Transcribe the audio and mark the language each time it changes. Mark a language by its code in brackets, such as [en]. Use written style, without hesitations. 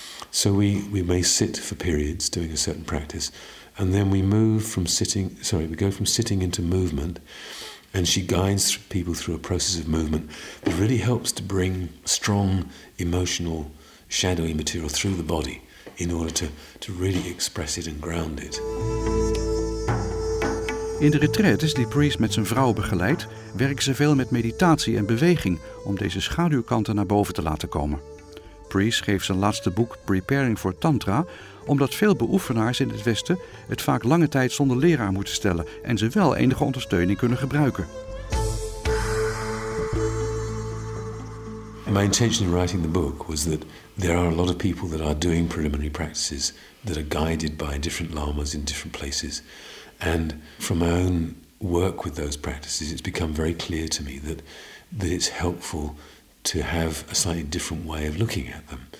[en] So we may sit for periods doing a certain practice, and then we go from sitting into movement, and she guides people through a process of movement that really helps to bring strong emotional shadowy material through the body in order to really express it and ground it. [nl] In de retraites die Priest met zijn vrouw begeleidt, werken ze veel met meditatie en beweging om deze schaduwkanten naar boven te laten komen. Priest geeft zijn laatste boek Preparing for Tantra omdat veel beoefenaars in het Westen het vaak lange tijd zonder leraar moeten stellen en ze wel enige ondersteuning kunnen gebruiken. [en] My intention in writing the book was that there are a lot of people that are doing preliminary practices that are guided by different lamas in different places. And from my own work with those practices, it's become very clear to me that it's helpful to have a slightly different way of looking at them.